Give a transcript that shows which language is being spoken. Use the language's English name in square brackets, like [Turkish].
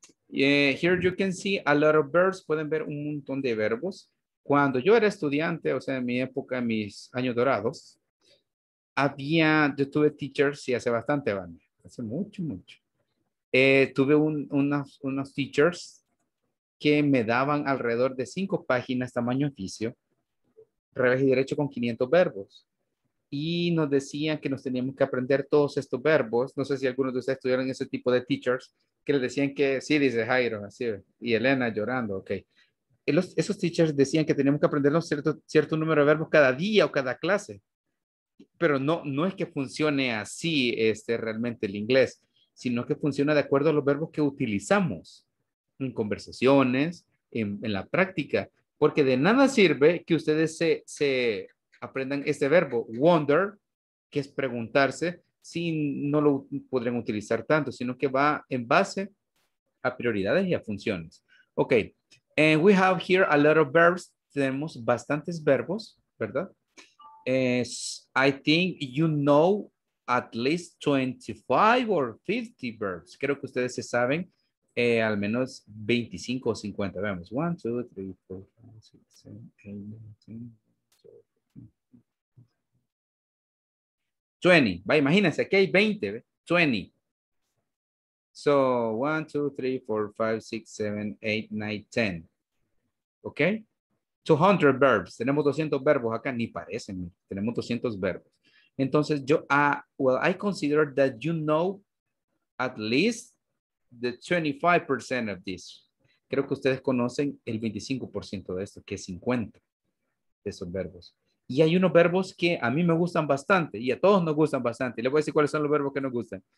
[English] Here you can see a lot of verbs. [Spanish] Pueden ver un montón de verbos. Cuando yo era estudiante, o sea, en mi época, en mis años dorados, había, yo tuve teachers, y hace bastante, Vania, hace mucho, mucho. Tuve unos teachers que me daban alrededor de 5 páginas, tamaño oficio, revés y derecho con 500 verbos. Y nos decían que nos teníamos que aprender todos estos verbos. No sé si algunos de ustedes tuvieron ese tipo de teachers que les decían que sí, dice Jairo, así, y Elena llorando, ok. Esos teachers decían que teníamos que aprendernos cierto número de verbos cada día o cada clase. Pero no es que funcione así realmente el inglés, sino que funciona de acuerdo a los verbos que utilizamos en conversaciones, en la práctica. Porque de nada sirve que ustedes se aprendan este verbo, wonder, que es preguntarse, si no lo podrían utilizar tanto, sino que va en base a prioridades y a funciones. [English] Ok, and we have here a lot of verbs. [Spanish] Tenemos bastantes verbos, ¿verdad? [English] I think you know at least 25 or 50 verbs. [Spanish] Creo que ustedes se saben al menos 25 o 50. Vemos, 1, 2, 3, 4, 5, 6, 7, 8, 9, 10. 20, va, imagínense, aquí hay 20, 20. So, 1, 2, 3, 4, 5, 6, 7, 8, 9, 10. ¿Ok? [English] 200 verbs, [Spanish] tenemos 200 verbos acá, ni parecen, tenemos 200 verbos. Entonces, yo, [English] I consider that you know at least the 25% of this. [Spanish] Creo que ustedes conocen el 25% de esto, que es 50 de esos verbos. Y hay unos verbos que a mí me gustan bastante y a todos nos gustan bastante. Les voy a decir cuáles son los verbos que nos gustan.